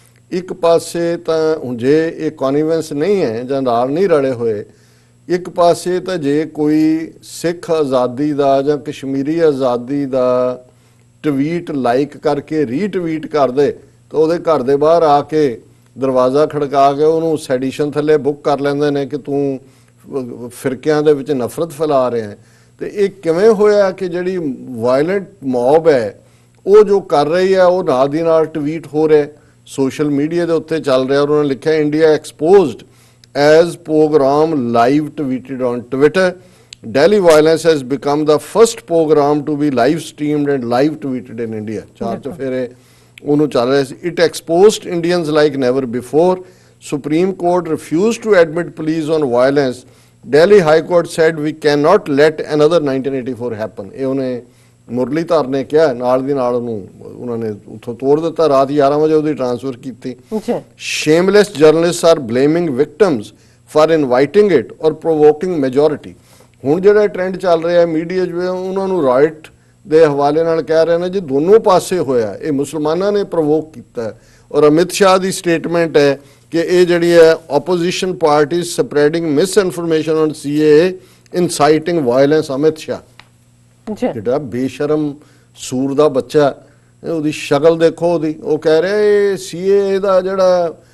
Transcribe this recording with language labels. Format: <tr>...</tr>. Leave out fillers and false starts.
<pa>ਇੱਕ ਪਾਸੇ, ਤਾਂ ਹੁਣ ਜੇ ਇਹ ਕੋਨੀਵੈਂਸ ਨਹੀਂ ਹੈ ਜਾਂ ਨਾਲ ਨਹੀਂ ਰਲੇ ਹੋਏ, ਇੱਕ ਪਾਸੇ ਤਾਂ ਜੇ ਕੋਈ ਸਿੱਖ ਆਜ਼ਾਦੀ ਦਾ ਜਾਂ ਕਸ਼ਮੀਰੀ ਆਜ਼ਾਦੀ ਦਾ ਟਵੀਟ ਲਾਈਕ ਕਰਕੇ ਰੀਟਵੀਟ ਕਰ ਦੇ ਤਾਂ ਉਹਦੇ ਘਰ ਦੇ ਬਾਹਰ ਆ ਕੇ ਦਰਵਾਜ਼ਾ ਖੜਕਾ ਕੇ ਉਹਨੂੰ ਸੈਡੀਸ਼ਨ ਥੱਲੇ ਬੁੱਕ ਕਰ ਲੈਂਦੇ ਨੇ ਕਿ ਤੂੰ ਫਿਰਕਿਆਂ ਦੇ ਵਿੱਚ ਨਫ਼ਰਤ ਫੈਲਾ ਰਿਹਾ। ਅਤੇ ਇਹ ਕਿਵੇਂ ਹੋਇਆ ਕਿ ਜਿਹੜੀ ਵਾਇਲੈਂਟ ਮੌਬ ਹੈ ਉਹ ਜੋ ਕਰ ਰਹੀ ਹੈ ਉਹ ਨਾਲ ਦੀ ਨਾਲ ਟਵੀਟ ਹੋ ਰਿਹਾ, ਸੋਸ਼ਲ ਮੀਡੀਆ ਦੇ ਉੱਤੇ ਚੱਲ ਰਿਹਾ। ਔਰ ਉਹਨਾਂ ਲਿਖਿਆ,</pa> <en>India exposed as pogrom live tweeted on Twitter, Delhi violence has become the first pogrom to be live streamed and live tweeted in India. It exposed Indians like never before. Supreme Court refused to admit police on violence. Delhi High Court said we cannot let another 1984 happen.</en> <pa>ਇਹ ਉਹਨੇ ਮੁਰਲੀਧਰ ਨੇ ਕਿਹਾ ਨਾਲ ਦੀ ਨਾਲ ਉਹਨੂੰ ਉਹਨਾਂ ਨੇ ਉੱਥੋਂ ਤੋੜ ਦਿੱਤਾ ਰਾਤ 11 ਵਜੇ ਉਹਦੀ ਟ੍ਰਾਂਸਫਰ ਕੀਤੀ</pa> <en>shameless journalist are blaming victims for inviting it or provoking majority</en> <pa>ਹੁਣ ਜਿਹੜਾ ਟ੍ਰੈਂਡ ਚੱਲ ਰਿਹਾ ਮੀਡੀਆ ਜੋ ਉਹਨਾਂ ਨੂੰ ਰਾਈਟ ਦੇ ਹਵਾਲੇ ਨਾਲ ਕਹਿ ਰਹੇ ਨੇ ਜੀ ਦੋਨੋਂ ਪਾਸੇ ਹੋਇਆ ਇਹ ਮੁਸਲਮਾਨਾਂ ਨੇ ਪ੍ਰੋਵੋਕ ਕੀਤਾ ਔਰ ਅਮਿਤ ਸ਼ਾਹ ਦੀ ਸਟੇਟਮੈਂਟ ਹੈ ਕਿ ਇਹ ਜਿਹੜੀ ਹੈ opposition party</pa> <en>spreading misinformation on CA inciting violence</en> <pa>Amit Shah ਜਿਹੜਾ ਬੇਸ਼ਰਮ ਸੂਰ ਦਾ ਬੱਚਾ ਉਹਦੀ ਸ਼ਕਲ ਦੇਖੋ ਉਹਦੀ ਉਹ ਕਹਿ ਰਿਹਾ ਇਹ ਸੀਏ ਦਾ ਜਿਹੜਾ</pa>